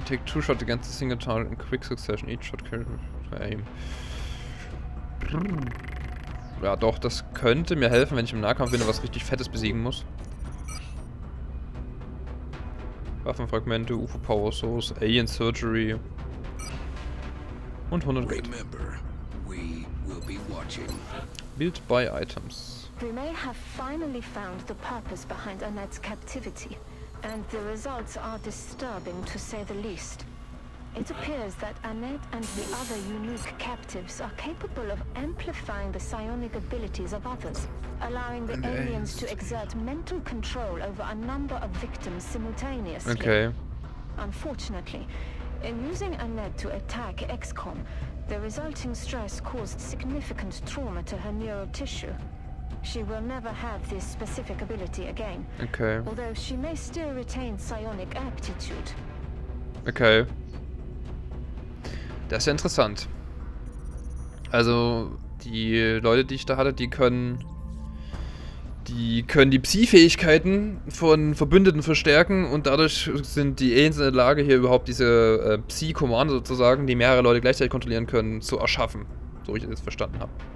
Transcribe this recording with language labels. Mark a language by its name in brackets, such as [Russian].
[English] Take two shots against a single target in quick succession. Each shot carries aim. [German] Ja, doch, das könnte mir helfen, wenn ich im Nahkampf bin und was richtig Fettes besiegen muss. Waffenfragmente, UFO Power Source, Alien Surgery. Und 100 Geld. [English] Remember, we will be watching. Build by items. We may have finally found the purpose behind Annette's captivity, and the results are disturbing to say the least. It appears that Annette and the other unique captives are capable of amplifying the psionic abilities of others, allowing the aliens to exert mental control over a number of victims simultaneously. Okay. Unfortunately, in using Annette to attack XCOM, the resulting stress caused significant trauma to her neural tissue. She will never have this specific ability again. Okay. Although she may still retain psionic aptitude. Okay. [German] Das ist ja interessant. Also, die Leute, die ich da hatte, die können die Psi-Fähigkeiten von Verbündeten verstärken und dadurch sind die Aliens in der Lage, hier überhaupt diese Psi-Kommando sozusagen, die mehrere Leute gleichzeitig kontrollieren können, zu erschaffen. So wie ich das jetzt verstanden habe.